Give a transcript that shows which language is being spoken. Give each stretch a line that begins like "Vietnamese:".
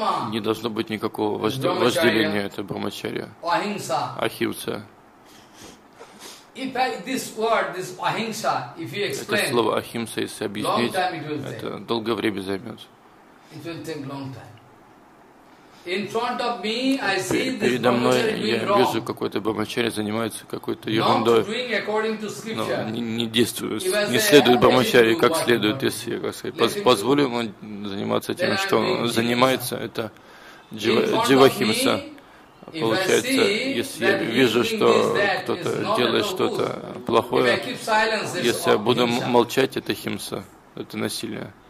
Russian: не должно быть никакого вожделения, это брахмачарья, ахимса.
English: If this word, this ahimsa, if you explain,
Russian: это слово ахимса, если объяснить,
English: long time it will take.
Russian: Это долгое время займет.
English: It will take long time. In front of me, I see this brahmachari doing wrong.
Russian: Передо мной я вижу какой-то брахмачарья занимается какой-то ерундой.
English: Not doing according to scripture.
Russian: Но не действует, не следует брахмачарье как следует, если как сказать, позволю ему заниматься тем, что он занимается, это дживахимса. Получается, если я вижу, что кто-то делает что-то плохое, если я буду молчать, это химса, это насилие.